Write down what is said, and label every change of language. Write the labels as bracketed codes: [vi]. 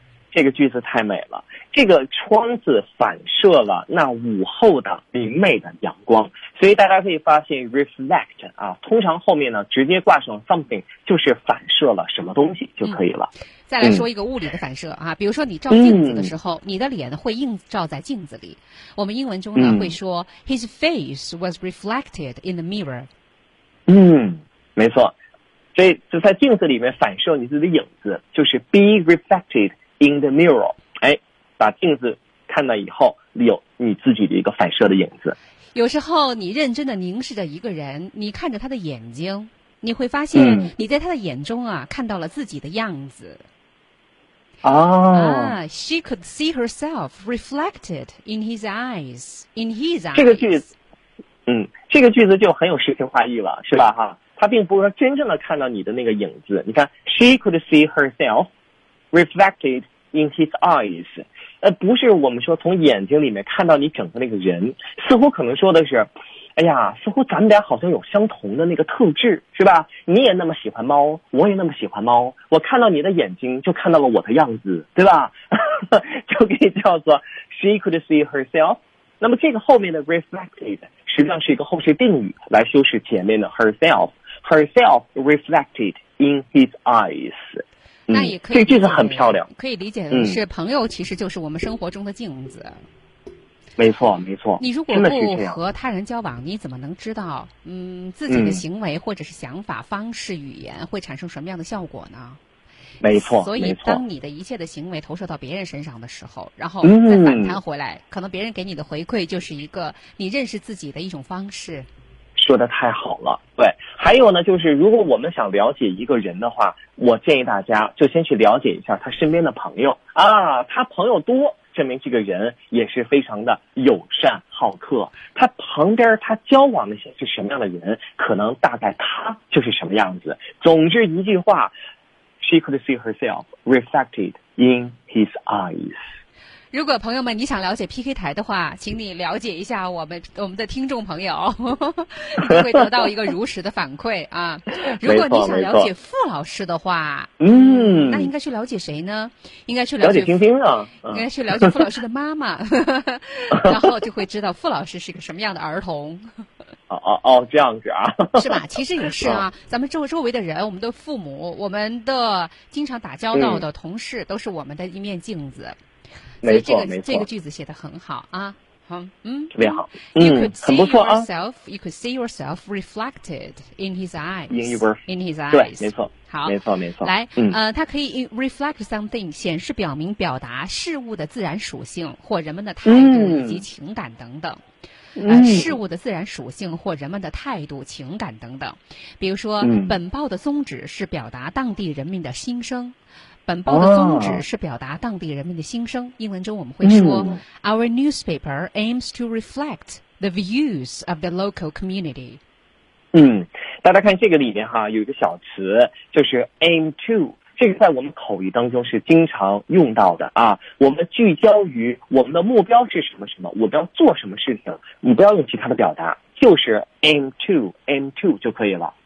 [zh] 这个句子太美了，这个窗子反射了那午后的明媚的阳光，所以大家可以发现 reflect 啊，通常后面呢直接挂上 something， 就是反射了什么东西就可以了、嗯、再来说一个物理的反射啊，比如说你照镜子的时候、嗯、你的脸会映照在镜子里，我们英文中呢、嗯、 [en] 会说 his face was reflected in the mirror。 [zh] 嗯，没错，所以就在镜子里面反射你自己的影子，就是 be reflected in the mirror，哎，把镜子看到以后有你自己的一个反射的影子。有时候你认真的凝视着一个人，你看着他的眼睛，你会发现你在他的眼中啊、嗯、看到了自己的样子。哦、 [en] She could see herself reflected in his eyes， in his eyes。 [zh] 这个句子就很有诗情画意了，是吧哈？他并不是说真正的看到你的那个影子，你看 She could see herself reflected in his eyes，不是我们说从眼睛里面看到你整个那个人，似乎可能说的是，哎呀，似乎咱们俩好像有相同的那个特质，是吧？你也那么喜欢猫，我也那么喜欢猫，我看到你的眼睛就看到了我的样子，对吧？就可以叫做 she could see herself。那么这个后面的 reflected 实际上是一个后缀定语来修饰前面的 herself， herself reflected in his eyes。那也可以，这句子很漂亮，可以理解的是朋友其实就是我们生活中的镜子。没错没错，你如果不和他人交往，你怎么能知道自己的行为或者是想法、方式、语言会产生什么样的效果呢？没错，所以当你的一切的行为投射到别人身上的时候，然后再反弹回来，可能别人给你的回馈就是一个你认识自己的一种方式。说得太好了，对。还有呢，就是如果我们想了解一个人的话，我建议大家就先去了解一下他身边的朋友啊，他朋友多，证明这个人也是非常的友善好客。他旁边他交往那些是什么样的人，可能大概他就是什么样子。 [en] 总之一句话，She could see herself reflected in his eyes。 [zh] 如果朋友们你想了解 PK 台的话，请你了解一下我们的听众朋友，你会得到一个如实的反馈啊。如果你想了解傅老师的话，嗯，那应该去了解谁呢？应该去了解丁丁啊，应该去了解傅老师的妈妈，然后就会知道傅老师是个什么样的儿童。哦，这样子啊，是吧？其实也是啊，咱们周围的人，我们的父母，我们的经常打交道的同事，都是我们的一面镜子。没错，没错，这个句子写得很好啊，特别好，很不错啊。 [en] You could see yourself reflected in his eyes. In his eyes. 对，没错。 [zh] 好，没错，没错。来，它可以 reflect something，显示、表明、表达事物的自然属性或人们的态度以及情感等等。事物的自然属性或人们的态度、情感等等。比如说，本报的宗旨是表达当地人民的心声。本报的宗旨是表达当地人民的心声。 [en] 英文中我们会说，Our newspaper aims to reflect the views of the local community。 [zh] 大家看这个里面哈，有一个小词，就是 aim to。这个在我们口语当中是经常用到的啊。我们聚焦于我们的目标是什么什么，我们要做什么事情，你不要用其他的表达，就是 aim to 就可以了。